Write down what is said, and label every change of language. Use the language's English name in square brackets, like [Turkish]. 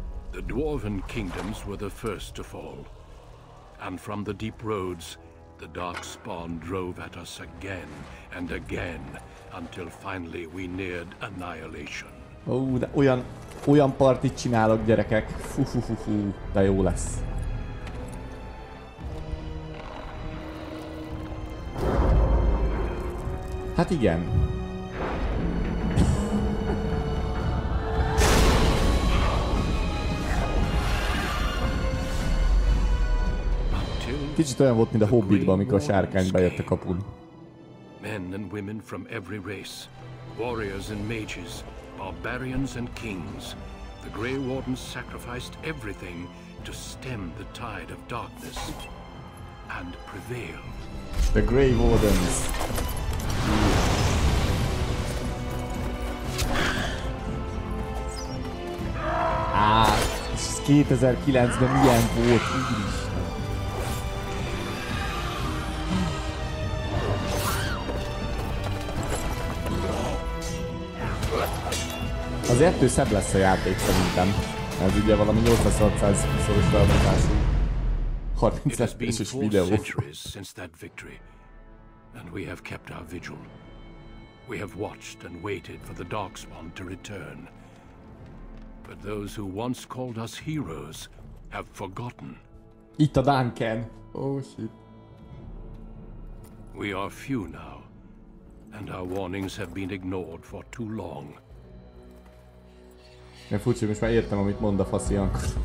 [English] The dwarven kingdoms were the first to fall. And from the deep roads, the darkspawn drove at us again and again, until finally we neared annihilation. [Hungarian] Ó, de olyan partit csinálok, gyerekek. Fu, de jó lesz. Hát igen. Kicsit olyan volt, mint a Hobbitban, amikor a sárkány bejött a kapun. [English] Men and women from every race, warriors and mages, barbarians and kings, the Grey Warden sacrificed everything to stem the tide of darkness and prevail. The Grey Wardens. [Hungarian] Ez 2009-ben milyen volt, az ettől szebb lesz a játék szerintem. Ez ugye valami 8600 szoros felbontású 30 FPS-es videó. [English] Centuries since that victory, and we have kept our vigil. We have watched and waited for the Darkspawn to return. But those who once called us heroes have forgotten. [Hungarian] Itt a Duncan. [English] Oh shit. We are few now, and our warnings have been ignored for too long. [Hungarian] Én furcsa, hogy most már értem, amit mond a fasz ilyenkor.